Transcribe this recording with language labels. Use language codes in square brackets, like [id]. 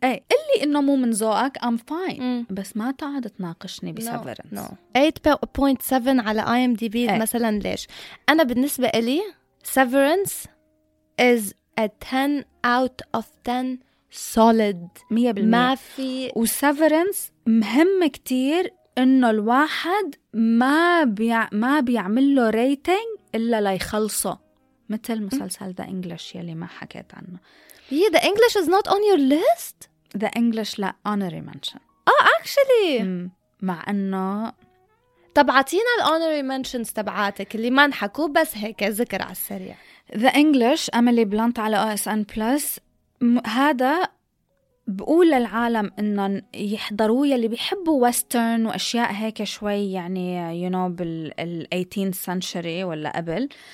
[ar] أي اللي إنه مو من ذوقك [en] I'm fine [ar] بس ما تقعد تناقشني بسيفرنس [en] no. no. [ar] 8.7 على IMDb أي. مثلا ليش أنا بالنسبة إلي [en] severance is a 10 out of 10 solid 100% [ar] ما في وseverance مهم كتير إنه الواحد ما بيعمل له rating إلا لا يخلصه مثل مسلسل The English يلي ما حكيت عنه [en] Yeah, The English is not on your list? The English [ar] لا [en] honorary mention Oh, actually [ar] مع أنه طب عطينا الـ honorary mentions تبعاتك اللي ما نحكو بس هيك ذكر على السريع The English أملي بلانت على OSN Plus هذا بقول للعالم إنه يحضروا يلي بيحبوا وسترن وأشياء هيك شوي يعني [en] you know [ar] بال 18th century ولا قبل